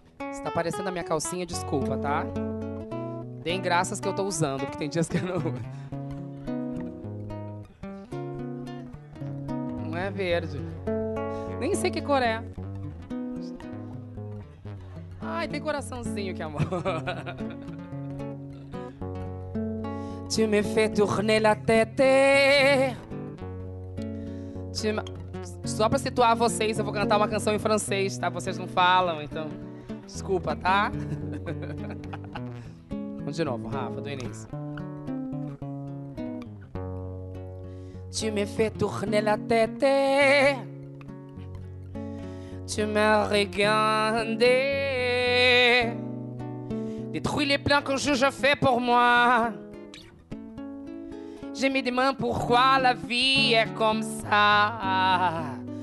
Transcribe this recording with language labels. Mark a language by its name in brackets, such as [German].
[Portuguese] Você tá aparecendo a minha calcinha, desculpa, tá? Tem graças que eu tô usando, porque tem dias que eu não... Não é verde. Nem sei que cor é. Ai, tem coraçãozinho, que amor. [French] Tu me fais tourner la tête. [Portuguese] Só pra situar vocês, eu vou cantar uma canção em francês, tá? Vocês não falam, então... Desculpa, tá? Vamos de novo, Rafa, do início. [French] Tu me fais tourner la tête. Tu me regardes. Détruis les plans que je fais pour moi. J'ai mis des mains, pourquoi la vie est comme ça?